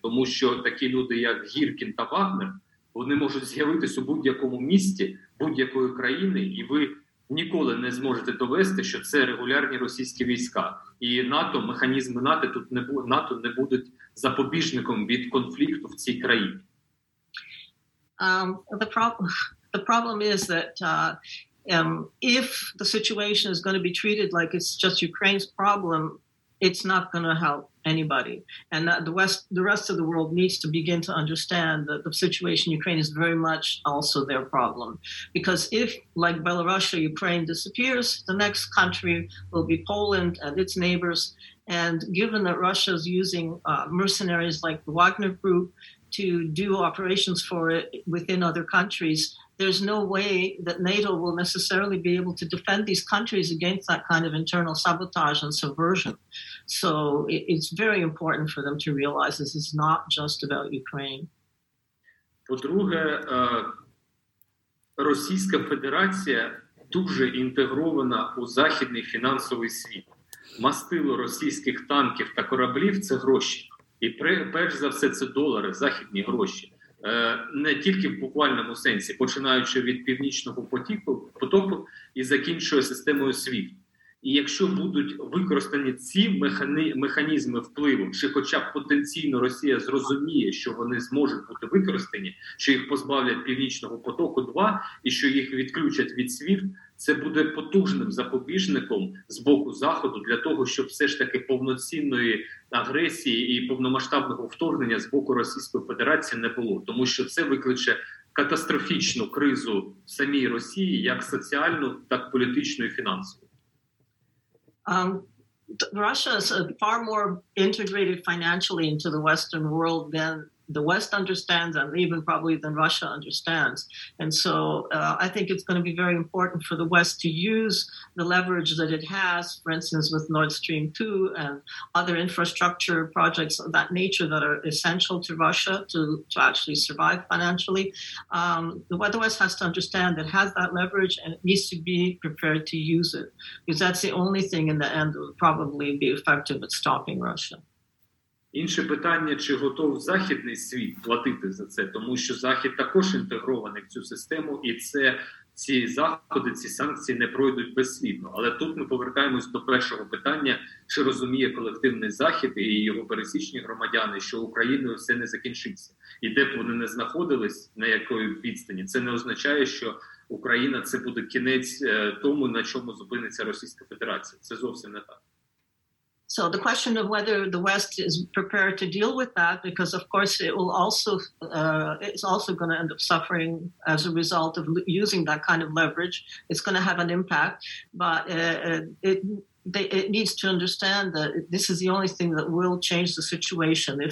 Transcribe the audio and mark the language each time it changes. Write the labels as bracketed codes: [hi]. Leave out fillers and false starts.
[uk] Тому що такі люди, як Гіркін та Вагнер, вони можуть з'явитися у будь-якому місті, будь-якої країни, і ви ніколи не зможете довести, що це регулярні російські війська. І НАТО, механізми НАТО, тут не буде, НАТО не буде запобіжником від конфлікту в цій країні. [en] The problem is that if the situation is going to be treated like it's just Ukraine's problem, it's not going to help anybody, and that the rest of the world needs to begin to understand that the situation in Ukraine is very much also their problem. Because if, like Belarus, Ukraine disappears, the next country will be Poland and its neighbors. And given that Russia is using mercenaries like the Wagner Group to do operations for it within other countries, there's no way that NATO will necessarily be able to defend these countries against that kind of internal sabotage and subversion. So it's very important for them to realize this is not just about Ukraine. [uk] По-друге, Російська Федерація дуже інтегрована у західний фінансовий світ. Мастило російських танків та кораблів – це гроші. І перш за все це долари, західні гроші. Не тільки в буквальному сенсі, починаючи від північного потоку і закінчує системою СВІФТ. І якщо будуть використані ці механізми впливу, чи хоча б потенційно Росія зрозуміє, що вони зможуть бути використані, що їх позбавлять північного потоку 2 і що їх відключать від СВІФТ, це буде потужним запобіжником з боку Заходу для того, щоб все ж таки повноцінної агресії і повномасштабного вторгнення з боку Російської Федерації не було. Тому що це викличе катастрофічну кризу в самій Росії, як соціальну, так політичну і фінансову. [en] Russia is far more integrated financially into the Western world than the West understands, and even probably than Russia understands. And so I think it's going to be very important for the West to use the leverage that it has, for instance, with Nord Stream 2 and other infrastructure projects of that nature that are essential to Russia to actually survive financially. What the West has to understand, it has that leverage and it needs to be prepared to use it, because that's the only thing in the end that will probably be effective at stopping Russia. [uk] Інше питання, чи готов західний світ платити за це, тому що Захід також інтегрований в цю систему, і це ці заходи, ці санкції не пройдуть безслідно. Але тут ми повертаємось до першого питання, чи розуміє колективний Захід і його пересічні громадяни, що Україною все не закінчиться. І де б вони не знаходились, на якої відстані, це не означає, що Україна – це буде кінець тому, на чому зупиниться Російська Федерація. Це зовсім не так. [en] So the question of whether the West is prepared to deal with that, because of course it will also it's also going to end up suffering as a result of using that kind of leverage. It's going to have an impact, but it needs to understand that this is the only thing that will change the situation.